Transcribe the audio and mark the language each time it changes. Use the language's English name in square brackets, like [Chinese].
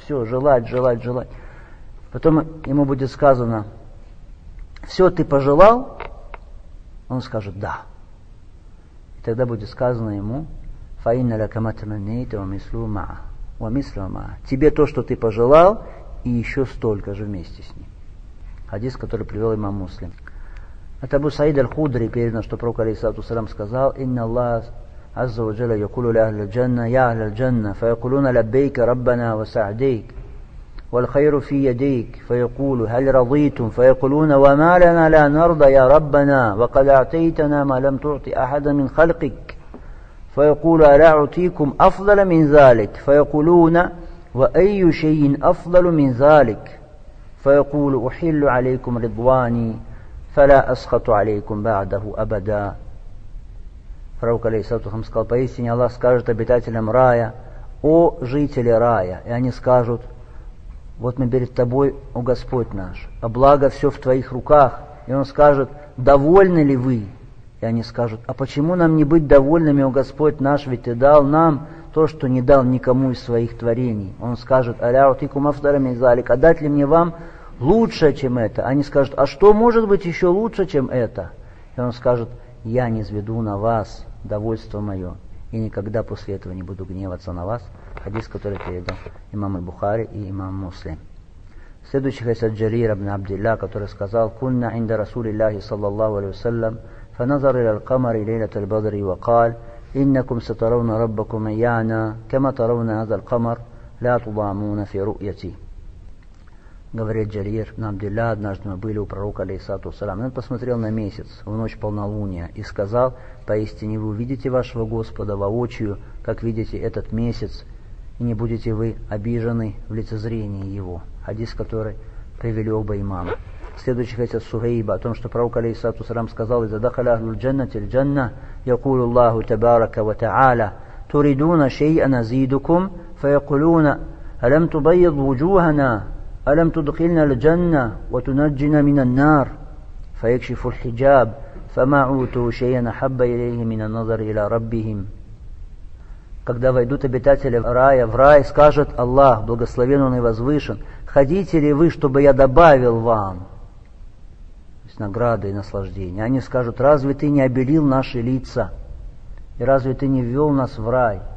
[Russian] Все, желать, желать, желать. Потом ему будет сказано, все, ты пожелал? Он скажет, да. И тогда будет сказано ему, [Arabic] «Фаинна ляка ма таманнейта ва мислу маа». [Russian] Тебе то, что ты пожелал, и еще столько же вместе с ним. Хадис, который привел имам Муслим. Это Абу Саид аль-Худри передано, что пророк алейхиссалату вассалям сказал, [Arabic] «Инна Аллах عز وجل يقول لأهل الجنة يا أهل الجنة فيقولون لبيك ربنا وسعديك والخير في يديك فيقول هل رضيتم فيقولون وما لنا لا نرضى يا ربنا وقد أعطيتنا ما لم تعطي أحدا من خلقك فيقول ألا أعطيكم أفضل من ذلك فيقولون وأي شيء أفضل من ذلك فيقول أحل عليكم رضواني فلا أسخط عليكم بعده أبدا. [Russian] Пророк алейхиссалату вассалям сказал, поистине Аллах скажет обитателям рая, о жители рая, и они скажут, вот мы перед тобой, о Господь наш, а благо все в твоих руках. И он скажет, довольны ли вы? И они скажут, а почему нам не быть довольными, о Господь наш, ведь ты дал нам то, что не дал никому из своих творений. Он скажет, [Arabic] аля утикум афтарам изалик, [Russian] а дать ли мне вам лучше, чем это? Они скажут, а что может быть еще лучше, чем это? И он скажет, я низведу на вас довольство мое, и никогда после этого не буду гневаться на вас. Хадис, который передал имам Аль-Бухари и имам Муслим. Следующий хадис от Джарира ибн Абдилля, который сказал, [Arabic] «Кунна инда Расулиллахи саллаллаху алейхи ва саллям, فنظر إلى القمر ليلة البدر وقال إنكم سترون ربكم يعنى كما ترون هذا القمر لا تضامون في رؤيتي. [Russian] Говорит Джарир, на Абдилля однажды мы были у пророка, алейхиссалату вассалям, и он посмотрел на месяц, в ночь полнолуния, и сказал, поистине вы увидите вашего Господа воочию, как видите этот месяц, и не будете вы обижены в лицезрении его. Хадис, который привели оба имама. Следующий хадис Сухейба о том, что пророк, алейхиссалату вассалям, сказал, [Arabic] «Иза дахаля ахлюль джаннатиль джанна, якулю Аллаху табарака ва та'аля, туридуна шейя назидукум, фаякулюна, алям тубайд вуджухана». ألم تدخلنا الجنة وتنجنا من النار فيكشف الحجاب فما عوتوا شيئا حب إليه من النظر إلى ربهم. [Russian] Когда войдут обитатели рая в рай, скажет Аллах, благословен Он и возвышен, хотите ли вы, чтобы я добавил вам награды и наслаждения? Они скажут, разве ты не обелил наши лица? И разве ты не ввел нас в рай?